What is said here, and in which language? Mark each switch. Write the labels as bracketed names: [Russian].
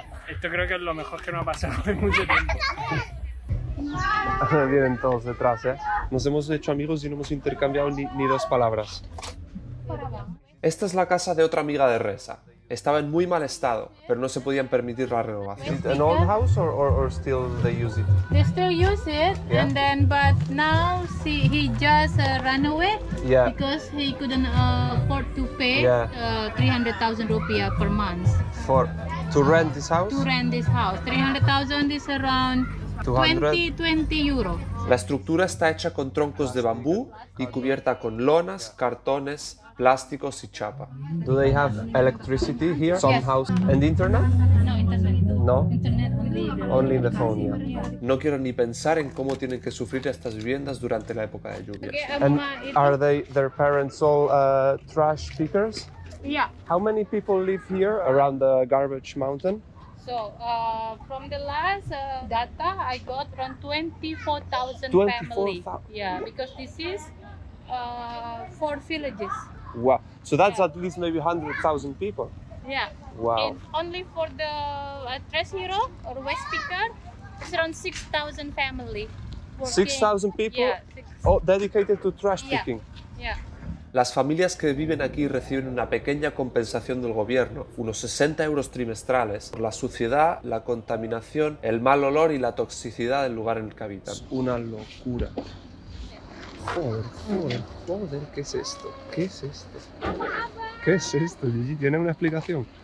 [Spanish] Esto creo que es lo mejor que nos ha pasado en mucho tiempo. Vienen todos detrás, ¿eh? Nos hemos hecho amigos y no hemos intercambiado ni dos palabras. Esta es la casa de otra amiga de Reza. Estaba en muy mal estado, pero no se podían permitir la renovación. [English] Is it an old house or still they use it? They still use it, yeah. And then but now see he just ran away, yeah. Because he couldn't afford to pay, yeah. 300,000 rupiah per month. To rent this house, 300,000 is around 20 euro. [Spanish] La estructura está hecha con troncos de bambú y cubierta con lonas, cartones, plásticos y chapa. [English] Do they have electricity here? Some yes. House and internet? No, internet. No. Internet only. Only the phone. Yeah. [Spanish] No quiero ni pensar en cómo tienen que sufrir estas viviendas durante la época de lluvias. [English] Okay, and are they their parents all trash pickers? Yeah. How many people live here around the garbage mountain? So, from the last data I got around 24,000 families. Yeah, because this is 4 villages. Wow. So that's at least maybe 100,000 people. Yeah. Wow. And only for the Tres Hero or West Picker, it's around 6,000 family. 6,000 people? Yeah, 6,000. Oh, dedicated to trash picking. Yeah. [Spanish] Las familias que viven aquí reciben una pequeña compensación del gobierno, unos 60 euros trimestrales, por la suciedad, la contaminación, el mal olor y la toxicidad del lugar en el que habitan. Una locura. Joder, joder, joder, ¿qué es esto? ¿Qué es esto? ¿Qué es esto, Gigi? ¿Tiene una explicación?